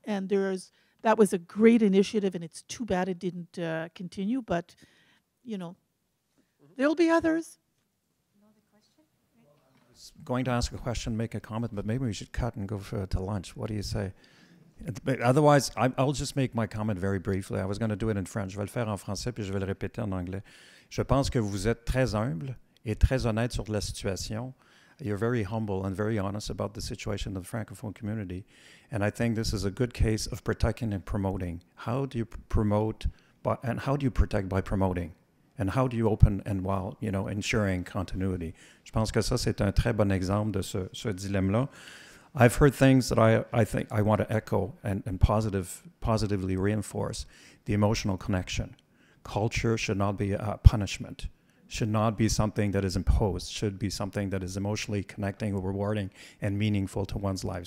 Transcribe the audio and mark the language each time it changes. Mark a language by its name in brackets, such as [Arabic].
[English] And that was a great initiative, and it's too bad it didn't continue. But, you know, there'll be others. Another question? Well, I was going to ask a question, make a comment, but maybe we should cut and go to lunch. What do you say? Otherwise, I'll just make my comment very briefly. I was going to do it in French. [French] Je vais le faire en français, puis je vais le répéter en anglais. Je pense que vous êtes très humble et très honnête sur la situation. [English] You're very humble and very honest about the situation of the Francophone community. And I think this is a good case of protecting and promoting. How do you promote, and how do you protect by promoting? And how do you open and while, you know, ensuring continuity? [French] Je pense que ça, c'est un très bon exemple de ce dilemme-là. [English] I've heard things that I think I want to echo and positively reinforce: the emotional connection. Culture should not be a punishment, should not be something that is imposed, should be something that is emotionally connecting, rewarding, and meaningful to one's life.